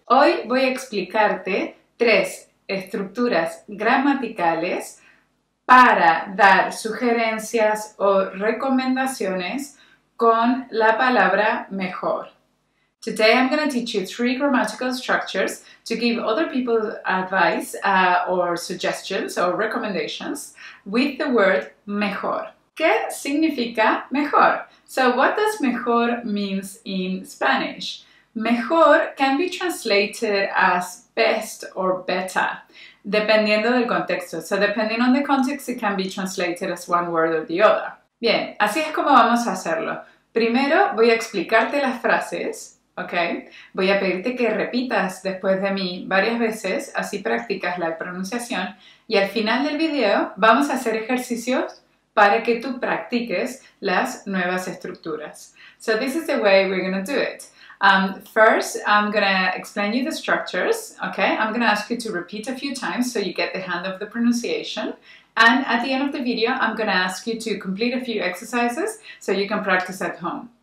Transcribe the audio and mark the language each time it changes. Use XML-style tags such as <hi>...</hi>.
<es>Hoy voy a explicarte tres estructuras gramaticales para dar sugerencias o recomendaciones con la palabra mejor.</es> <en>Today I'm going to teach you three grammatical structures to give other people advice or suggestions or recommendations with the word mejor.</en> <es>¿Qué significa mejor?</es> <en>So what does mejor means in Spanish? Mejor can be translated as best or better,</en> <es>dependiendo del contexto.</es> <en>So depending on the context, it can be translated as one word or the other.</en> <es>Bien, así es como vamos a hacerlo. Primero voy a explicarte las frases, ¿ok? Voy a pedirte que repitas después de mí varias veces, así practicas la pronunciación. Y al final del video vamos a hacer ejercicios para que tú practiques las nuevas estructuras.</es> <en>So this is the way we're going to do it. First, I'm going to explain you the structures, okay? I'm going to ask you to repeat a few times so you get the hang of the pronunciation. And at the end of the video, I'm going to ask you to complete a few exercises so you can practice at home.</en>